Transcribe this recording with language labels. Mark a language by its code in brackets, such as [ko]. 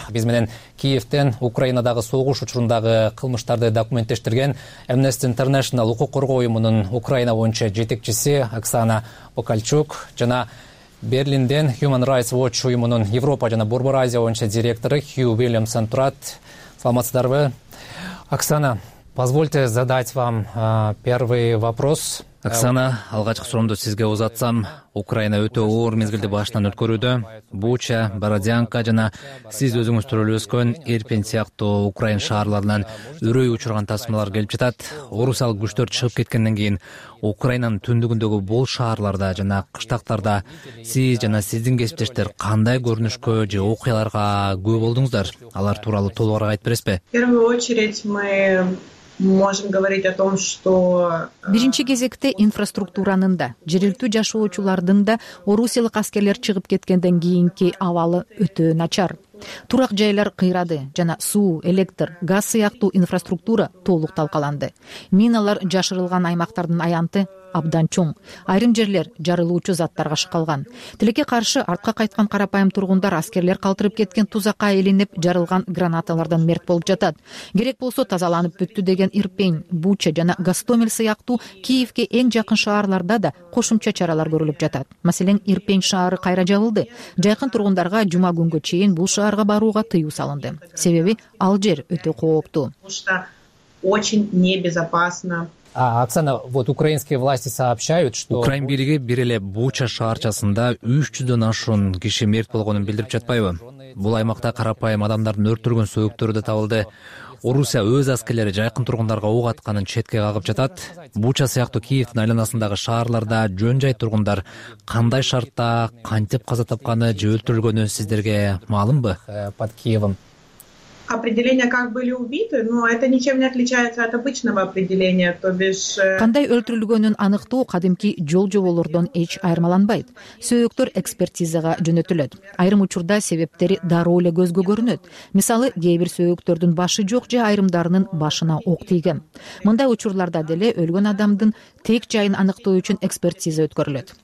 [ky] Биз менен Киевтен Украинадагы согуш учурундагы кылмыштарды документтештирген Amnesty International укук коргоо уюмунун Украина боюнча жетекчиси Оксана Окальчук жана Берлинден Human Rights Watch уюмунун Европа жана Борбор Азия боюнча директору Хью Уильямсон турат. Саламатсыздарбы? [ru] Оксана, позвольте задать вам первый вопрос. [ky] Оксана, алгачкы суроомду сизге узатсам, Украина өтө оор мезгилди башынан өткөрүүдө. Буча, Бородянка жана сиз өзүңүз төрөлүп өскөн Ирпень сыяктуу Украин шаарларынан үрөй учурган тасмалар келип жатат. Орусиялык күчтөр чыгып кеткенден кийин Украинанын түндүгүндөгү бул шаарларда жана кыштактарда сиз жана сиздин кесиптештер кандай көрүнүшкө же окуяларга күбө болдуңуздар? Алар тууралуу толугураак айтып бересизби? [ru] В первую очередь можем говорить о том, что [ky] биринчи кезекте инфраструктуранын да, жергиликтүү жашоочулардын да орусиялык аскерлер чыгып кеткенден кийинки абалы өтө начар. Турак жайлар кыйрады жана суу, электр, газ сыяктуу инфраструктура толук талкаланды. Миналар жашырылган аймактардын аянты абдан чоң. Айрым жерлер жарылуучу заттарга шыкалган. Тилекке каршы артка кайткан карапайым тургундар аскерлер калтырып кеткен тузакка илинип, жарылган гранаталардан мерт болуп жатат. Керек болсо тазаланып бүттү деген Ирпень, Буча жана Гостомель сыяктуу Киевке эң жакын шаарларда да кошумча чаралар көрүлүп жатат. Маселен, Ирпень шаары кайра жабылды. Жакын тургундарга жума күнгө чейин бул шаарга барууга тыюу салынды. Себеби ал жер өтө кооптуу. [ru] Очень небезопасно. Оксана, вот украинские власти сообщают, что [ky] Украин бириги бир эле Буча шаарчасында 300 ашуун киши мерт болгонун билдирип жатпайбы? Бул аймакта карапайым адамдардын өлтүргөн сөөктөрү да табылды. Орусия өз аскерлери жакын тургундарга ок атканын четке кагып жатат. Буча сыяктуу Киевдин айланасындагы шаарларда жөн жай тургундар кандай шартта, кантип каза тапканы же өлтүрүлгөнү сиздерге маалымбы? [ru] Под Киевом определение, как были убиты, но это ничем не отличается от обычного определения, то бишь [ky] кандай өлтүрүлгөнүн аныктоо кадимки жол-жоболордон эч айырмаланбайт. Сөөктөр экспертизага жөнөтүлөт. Айрым учурда себептери дароо эле көзгө көрүнөт. Мисалы, кээ бир сөөктөрдүн башы жок же айрымдарынын башына ок тийген. Мындай учурларда деле өлгөн адамдын тек жайын аныктоо үчүн экспертиза өткөрүлөт.